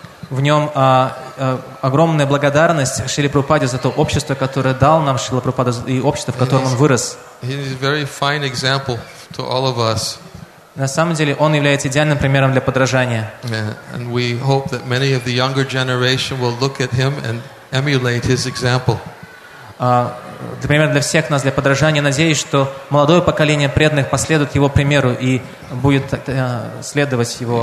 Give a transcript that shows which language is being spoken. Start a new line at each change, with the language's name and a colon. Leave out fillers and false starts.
Russian: в нем огромная благодарность Шриле Прабхупаде за то общество, которое дал нам Шрила Прабхупада и общество, в котором он вырос.
English: He's a very fine example to all of us.
Russian: На самом деле, он является идеальным примером для подражания.
English: And we hope that many of the younger generation will look at him and emulate his example.
Russian: Например, для всех нас, для подражания, надеюсь, что молодое поколение преданных последует его примеру и будет следовать его